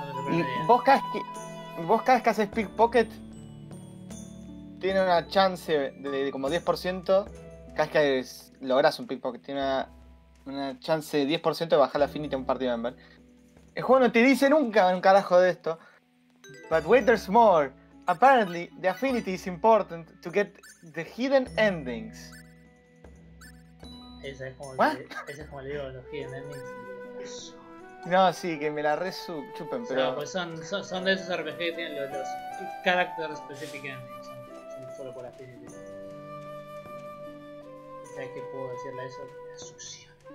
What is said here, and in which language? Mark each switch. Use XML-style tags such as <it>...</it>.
<es>Y vos cada vez que haces pickpocket, tiene una chance de como 10%. Cada vez que lográs un pickpocket, tiene una chance de 10% de bajar la affinity a un party member. El juego no te dice nunca un carajo de esto.</es> <en>But wait, there's more. Apparently, the affinity is important to get the hidden endings.</en> <es>Ese es como le digo, los hidden endings. No, sí, que me la resupen, pero... No, pues son de esos RPG que tienen los</es> <en>character specific endings.</en> <es>Son solo por affinity. ¿Sabes qué puedo decirle a eso? Es sucio.</es>